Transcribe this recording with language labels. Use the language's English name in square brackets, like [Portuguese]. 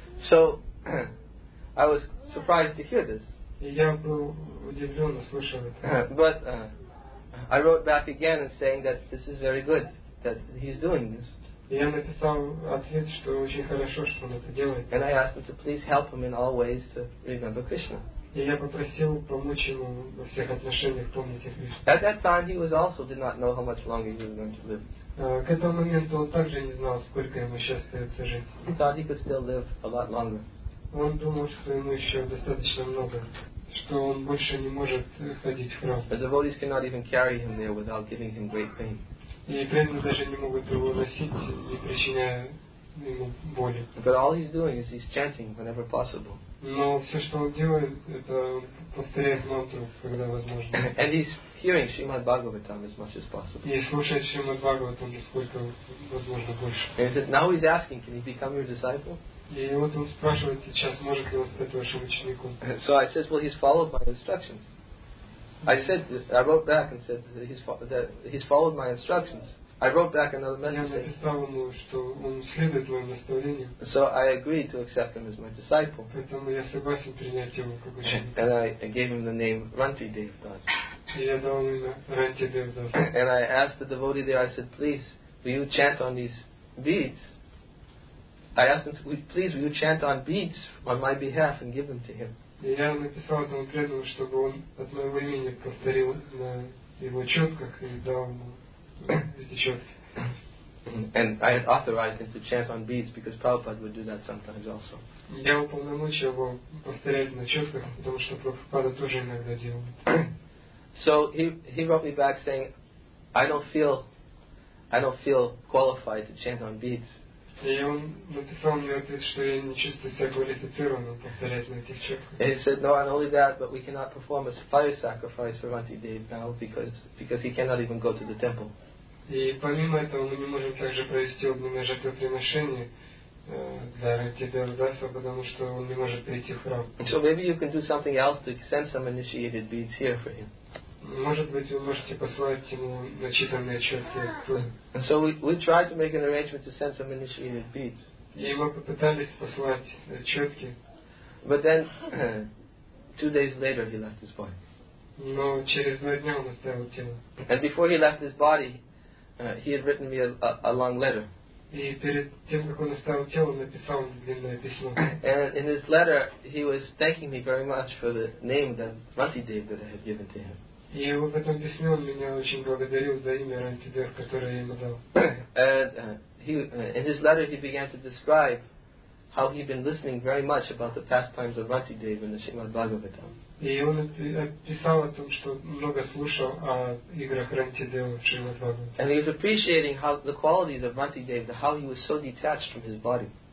[English] So I was surprised to hear this. [Russian] И я был удивлен, услышав это. [English] But I wrote back again and saying that this is very good that he's doing this. [Russian] Я написал ответ, что очень хорошо, что он это делает. [English] And I asked him to please help him in all ways to remember Krishna. [Russian] И я попросил помочь ему во всех отношениях помнить о Кришне. [English] At that time, he was also did not know how much longer he was going to live. [Russian] К этому моменту он также не знал, сколько ему еще остается жить. [English] He thought he could still live a lot longer. [Russian] Он думал, что ему еще достаточно много, что он больше не может ходить в храм. [English] The devotees cannot even carry him there without giving him great pain. [Russian] И преданные даже не могут его носить, не причиняя ему боли. [English] But all he's doing is he's chanting whenever possible. [Russian] Но все, что он делает, это повторяет мантру, когда возможно. [English] And he's hearing Srimad Bhagavatam as much as possible. [Russian] И слушает Srimad Bhagavatam, насколько возможно больше. [English] And now he's asking, can he become your disciple? [Russian] И вот он спрашивает сейчас, может ли он стать вашим учеником. [English] So I says, well, he's followed my instructions. I wrote back and said that he's followed my instructions. I wrote back another message. So I agreed to accept him as my disciple. And I gave him the name Ranti Devdas. And I asked the devotee there, I said, please, will you chant on these beads? I asked him, please, will you chant on beads on my behalf and give them to him? [Russian] И я написал этому преданному, чтобы он от моего имени повторил на его четках и дал ему эти четки. [English] And I had authorized him to chant on beads because Prabhupada would do that sometimes also. [Russian] Я уполномочил его повторять на четках, потому что Прабхупада тоже иногда делал. [English] So he wrote me back saying, I don't feel qualified to chant on beads. [Russian] И он написал мне ответ, что я не чувствую себя квалифицированным повторять на этих чётках. [English] And he said, no, not only that, but we cannot perform a fire sacrifice for Ranti Dev now because he cannot even go to the temple. [Russian] И помимо этого, мы не можем также провести огненное жертвоприношение для Ранти Девдаса, потому что он не может прийти в храм. [English] So maybe you can do something else to send some initiated beads here for him. [Russian] Может быть, вы можете послать ему начитанные чётки. [English] And so we tried to make an arrangement to send some initiated beads. [Russian] И мы попытались послать чётки. [English] But then, 2 days later, he left his body. [Russian] Но через 2 дня он оставил тело. [English] And before he left his body, he had written me a long letter. [Russian] И перед тем, как он оставил тело, написал длинное письмо. [English] And in his letter, he was thanking me very much for the name that Vasudev that I had given to him. [Russian] И в этом письме он меня очень благодарил за имя Рантидев, которое я ему дал. [English] In his letter, he began to describe how he'd been listening very much about the pastimes of Vasudev in the Srimad Bhagavatam. [Russian] И он писал о том, что много слушал о играх Рантидева в Шримад Бхагаватам. [English] And he was appreciating how the qualities of Vasudev, how he was so detached from his body.